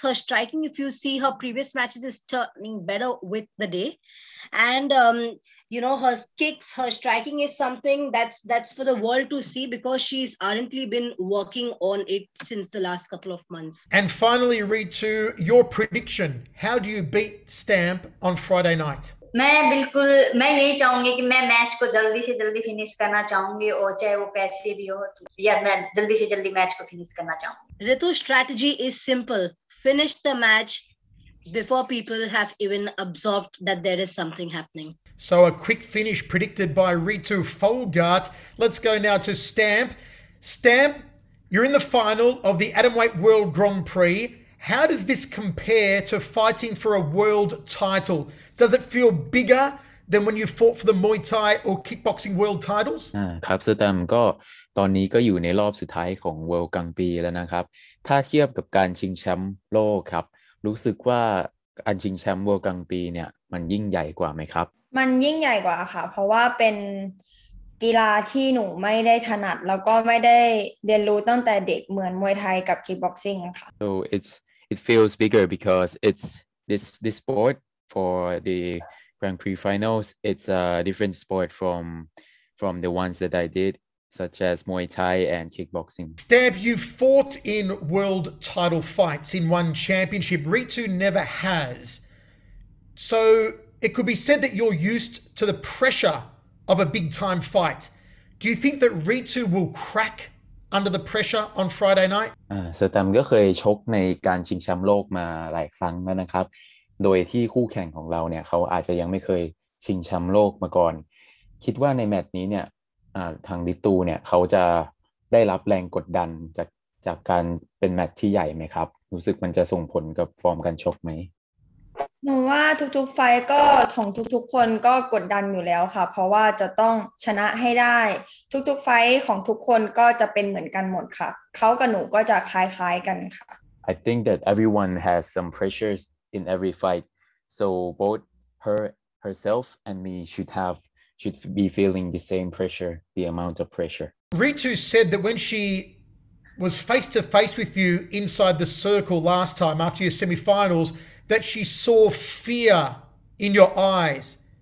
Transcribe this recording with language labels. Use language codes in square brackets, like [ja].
[en] Her striking, if you see her previous matches, is turning better with the day. And her kicks, her striking is something that's for the world to see, because she's ardently been working on it since the last couple of months. And finally, Ritu, your prediction. How do you beat Stamp on Friday night? [hi] मैं यही चाहूंगी कि मैं match को जल्दी से जल्दी finish करना चाहूंगी, और चाहे वो पैसे भी हो, या मैं जल्दी से जल्दी मैच को फिनिश करना चाहूंगी। [en] Ritu strategy is simple, finish the match before people have even absorb that there is something happening. So a quick finish predicted by Ritu Folgaert. Let's go now to Stamp. Stamp, you're in the final of the Atomweight World Grand Prix. How does this compare to fighting for a world title? Does it feel bigger than when you fought for the Muay Thai or kickboxing world titles? [th] ครับสแตมก็ตอนนี้ก็อยู่ในรอบสุดท้ายของ World Grand Prix แล้วนะครับถ้าเทียบกับการชิงแชมป์โลกครับรู้สึกว่าอันชิงแชมป์ World Grand Prix เนี่ยมันยิ่งใหญ่กว่าไหมครับ มันยิ่งใหญ่กว่าค่ะเพราะว่าเป็นกีฬาที่หนูไม่ได้ถนัดแล้วก็ไม่ได้เรียนรู้ตั้งแต่เด็กเหมือนมวยไทยกับคิกบ็อกซิ่งค่ะ [en] So it feels bigger because it's this sport for the Grand Prix finals. It's a different sport from the ones that I did, such as Muay Thai and kickboxing. Stamp, you've fought in world title fights in one championship. Ritu never has. So it could be said that you're used to the pressure of a big time fight. Do you think that Ritu will crack under the pressure on Friday night? [th] สแตมก็เคยชกในการชิงแชมป์โลกมาหลายครั้งแล้วนะครับโดยที่คู่แข่งของเราเนี่ยเขาอาจจะยังไม่เคยชิงแชมป์โลกมาก่อนคิดว่าในแมตช์นี้เนี่ยทางลิตูเนี่ยเขาจะได้รับแรงกดดันจากการเป็นแมตช์ที่ใหญ่ไหมครับรู้สึกมันจะส่งผลกับฟอร์มการชกไหม หนูว่าทุกๆไฟก็ของทุกๆคนก็กดดันอยู่แล้วค่ะเพราะว่าจะต้องชนะให้ได้ทุกๆไฟของทุกคนก็จะเป็นเหมือนกันหมดค่ะเขากับหนูก็จะคล้ายๆกันค่ะ [en] I think that everyone has some pressures in every fight so both herself and me should be feeling the same pressure the amount of pressure Ritu said that when she was face to face with you inside the circle last time after your semi-finals That she saw fear in your eyes.